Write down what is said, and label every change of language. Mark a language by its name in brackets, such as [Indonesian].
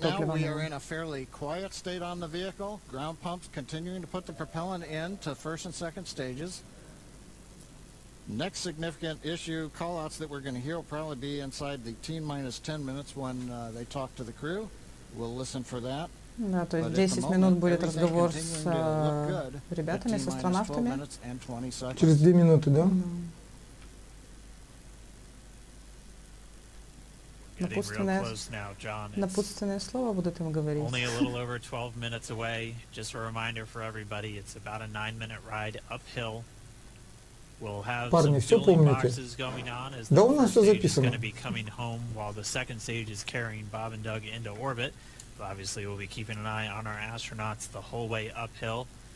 [English] now we are in a fairly quiet state on the vehicle. Ground pumps continuing to put the propellant in to first and second stages. Next significant issue callouts that we're going to hear will probably be inside the T-minus 10 minutes when they talk to the crew. We'll listen for that. [Russian] Да, то есть 10 минут будет разговор с ребятами, с астронавтами. Через 2 минуты, да? Напутственное слово будут им говорить. [English] Only a little over 12 minutes away. Just a reminder for everybody, it's about a 9-minute ride uphill. We'll have [Russian] Парни, [English] some fueling boxes going on as the first stage is going to be coming home while the second stage is carrying Bob and Doug into orbit. Obviously, we'll be keeping an eye on our astronauts the whole way uphill.